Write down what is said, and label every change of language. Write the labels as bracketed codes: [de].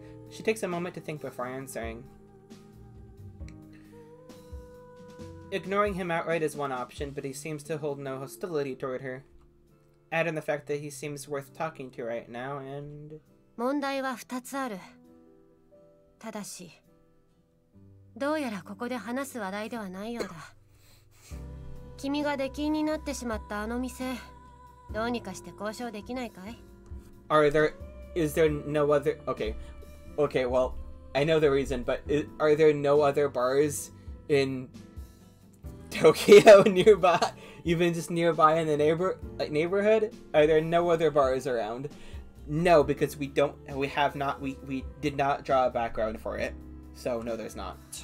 [en] She takes a moment to think before answering. Ignoring him outright is one option, but he seems to hold no hostility toward her. Add in the fact that he seems worth talking to right now, and... [ja] 問題は2つある。ただし、どうやらここで話す話題ではないようだ。君が出禁になってしまったあの店、どうにかして交渉できないかい? [en] Is there no other... Okay, well, I know the reason, but are there no other bars in Tokyo nearby? Even just nearby in the neighborhood? Are there no other bars around? No, because we did not draw a background for it. So no, there's not.